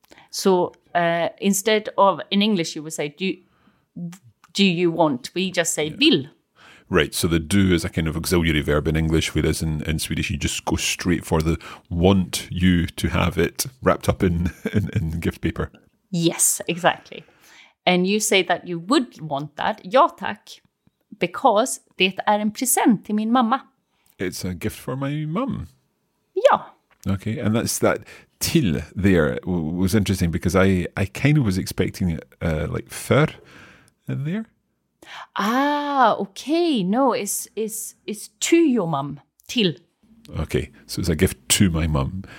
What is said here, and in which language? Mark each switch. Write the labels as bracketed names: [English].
[English] So instead of, in English, you would say, do you want, we just say vill. Yeah. Right, so the do is a kind of auxiliary verb in English, whereas in Swedish you just go straight for the want you to have it wrapped up in gift paper. Yes, exactly. And you say that you would want that. [Swedish] Ja, tack. Because det är en present till min mamma. [English] It's a gift for my mum. [Swedish] Ja. [English] Okay, and that's that till there was interesting because I kind of was expecting it like för in there. Ah, okay. No, it's to your mum, till. Okay, so it's a gift to my mum.